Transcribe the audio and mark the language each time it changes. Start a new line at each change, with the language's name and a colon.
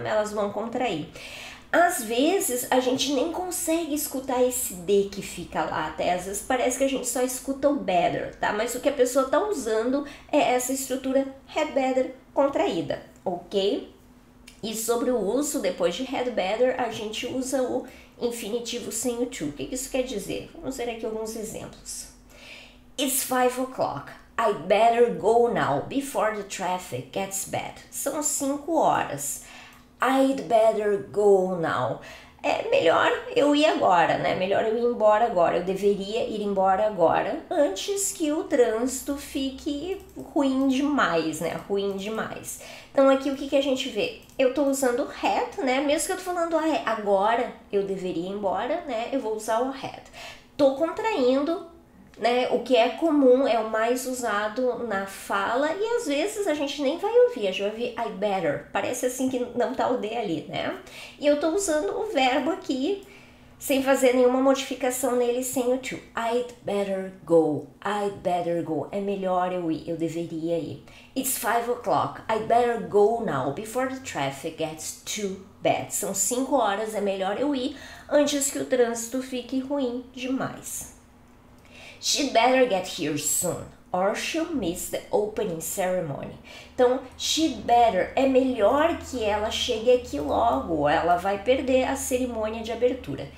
Portuguese: Elas vão contrair. Às vezes a gente nem consegue escutar esse D que fica lá, até às vezes parece que a gente só escuta o better, tá? Mas o que a pessoa tá usando é essa estrutura had better contraída, ok? E sobre o uso depois de had better, a gente usa o infinitivo sem o to. O que isso quer dizer? Vamos ver aqui alguns exemplos.
English: It's 5 o'clock. I better go now before the traffic gets bad.
Portuguese: São 5 horas.
English: I'd better go now.
Portuguese: É melhor eu ir agora, né? Melhor eu ir embora agora. Eu deveria ir embora agora antes que o trânsito fique ruim demais, né? Ruim demais. Então aqui o que que a gente vê? Eu tô usando o had, né? Mesmo que eu tô falando agora eu deveria ir embora, né? Eu vou usar o had. Tô contraindo, né? O que é comum, é o mais usado na fala e às vezes a gente nem vai ouvir, a gente vai ouvir I better. Parece assim que não tá o D ali, né? E eu tô usando o verbo aqui sem fazer nenhuma modificação nele, sem o to.
English: I'd better go. I'd better go.
Portuguese: É melhor eu ir, eu deveria ir.
English: It's 5 o'clock. I'd better go now before the traffic gets too bad.
Portuguese: São 5 horas, é melhor eu ir antes que o trânsito fique ruim demais.
English: She'd better get here soon, or she'll miss the opening ceremony.
Portuguese: Então,
English: she'd better,
Portuguese: é melhor que ela chegue aqui logo, ou ela vai perder a cerimônia de abertura.